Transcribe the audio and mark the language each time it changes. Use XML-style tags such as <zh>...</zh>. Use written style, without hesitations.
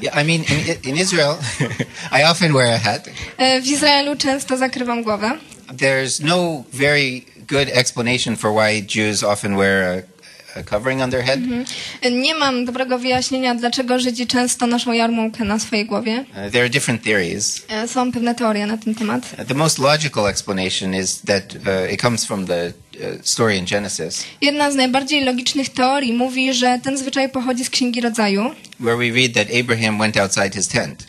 <en>Yeah, I mean, in Israel, I often wear a hat.</en> <pl>W Izraelu często zakrywam głowę.</pl> <en>There's no very good explanation for why Jews often wear a covering on their head. Mm-hmm.</en> <pl>Nie mam dobrego wyjaśnienia, dlaczego Żydzi często noszą jarmułkę na swojej głowie.</pl> <en>There are different theories.</en> <pl>Są pewne teorie na ten temat.</pl> <en>The most logical explanation is that it comes from the story in Genesis.</en> <pl>Jedna z najbardziej logicznych teorii mówi, że ten zwyczaj pochodzi z Księgi Rodzaju.</pl> <en>Where we read that Abraham went outside his tent.</en>